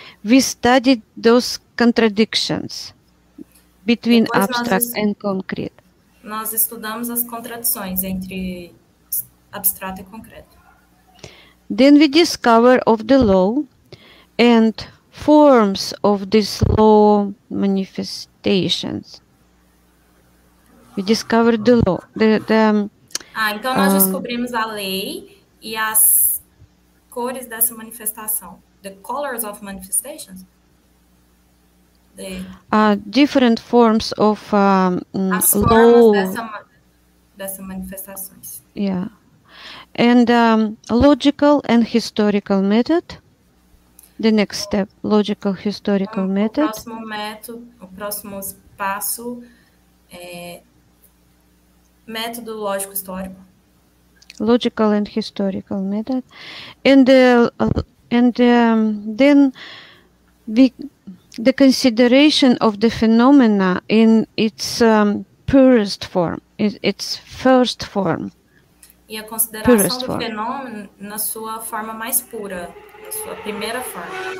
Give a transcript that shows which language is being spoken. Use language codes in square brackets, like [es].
[en] we studied those contradictions between [pt] depois [en] abstract and concrete. [pt] Nós estudamos as contradições entre abstrato e concreto. [en] Then we discover of the law and forms of this law manifestations. We discover the law. [pt] Então nós descobrimos a lei e as cores dessa manifestação. [en] The colors of manifestations. Different forms of [pt] law. As formas dessa manifestações. [en] Yeah. And logical and historical method. The next step, logical historical method. [pt] O próximo passo é método lógico histórico. [en] Logical and historical method. The consideration of the phenomena in its purest form, its first form. [pt] E a consideração [en] purest [pt] do fenômeno na sua forma mais pura, na sua primeira forma.